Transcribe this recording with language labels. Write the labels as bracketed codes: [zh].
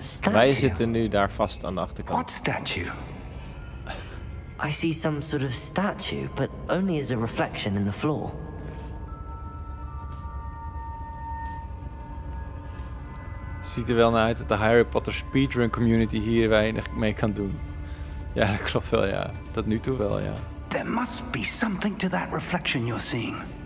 [nl] Wij zitten nu daar vast aan de achterkant. [en] What statue? I see some sort of statue, but only as a reflection in the floor. [nl] Ziet er wel naar uit dat de Harry Potter speedrun community hier weinig mee kan doen. Ja, dat klopt wel, ja. Tot nu toe wel, ja. [en] There must be something to that reflection you're seeing.